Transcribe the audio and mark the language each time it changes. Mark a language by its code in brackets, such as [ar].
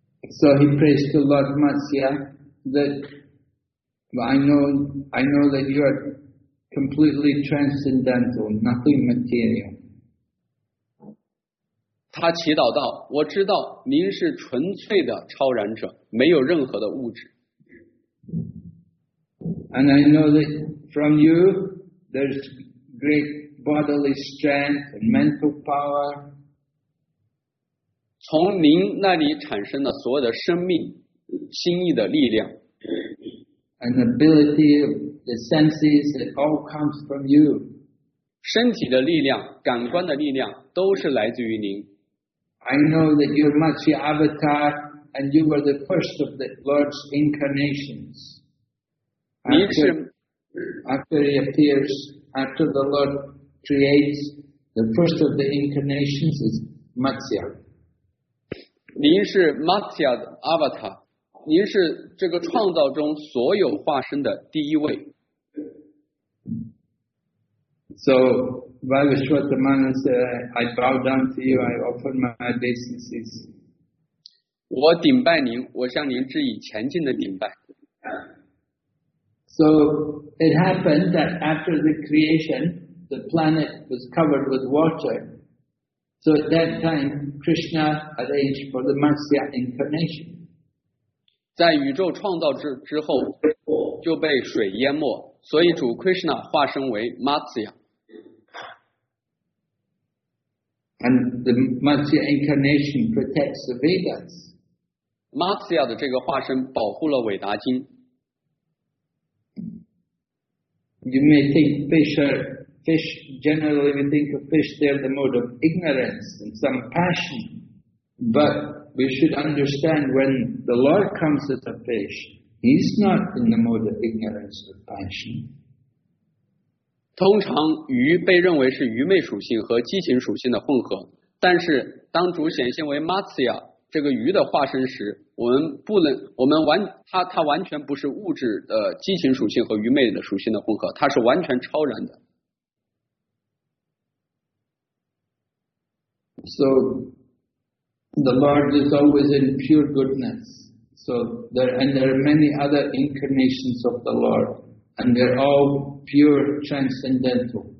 [en] So he prays to Lord Matsya that I know that you areCompletely transcendental, nothing material. [zh] 他祈祷道，我知道您是纯粹的超然者，没有任何的物质。 [en] And I know that from you, there's great bodily strength and mental power. [zh] 从您那里产生的所有的生命、心意的力量。 [en] An ability of the senses, it all comes from you. [zh] 身体的力量、感官的力量都是来自于您。 [en] I know that you're Matsya avatar and you were the first of the Lord's incarnations. After he appears, after the Lord creates, the first of the incarnations is Matsya. [zh] 您是 Matsya 的 avatar， 您是这个创造中所有化身的第一位。 [en] So Vaishvatamana said, I bow down to you, I offer my obeisances. [zh] 我顶拜您，我向您致以前进的顶拜。 [en] So it happened that after the creation, the planet was covered with water. So at that time, Krishna arranged for the Matsya incarnation. [zh] 在宇宙创造之后就被水淹没，所以主 Krishna 化身为 Matsya。 [en] And the Matsya incarnation protects the Vedas. [zh] Matsya 的这个化身保护了伟达经。 [en] You may think fish are fish. Generally, we think of fish. They are the mode of ignorance and some passion. But we should understand when the Lord comes as a fish, He's not in the mode of ignorance or passion. [zh] 通常鱼被认为是愚昧属性和激情属性的混合。但是当主显现为 Matsya 这个鱼的化身时，我们不能，我们完，它完全不是物质的激情属性和愚昧的属性的混合，它是完全超然的。 [en] So the Lord is always in pure goodness. So there and there are many other incarnations of the Lord, and they're all pure transcendental.